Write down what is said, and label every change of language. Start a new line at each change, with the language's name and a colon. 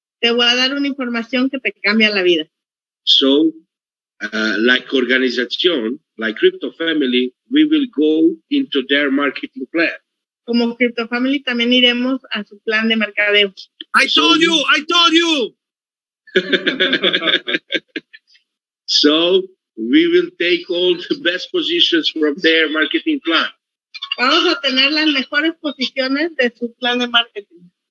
Spanish: Te voy a dar una información que te cambia la vida.
English: So, like organización, like Crypto Family, we will go into their marketing plan.
Spanish: Como Crypto Family, también iremos a su plan de mercadeo.
English: I told you! So, we will take all the best positions from their marketing plan.
Spanish: Vamos a tener las mejores posiciones de su plan de marketing.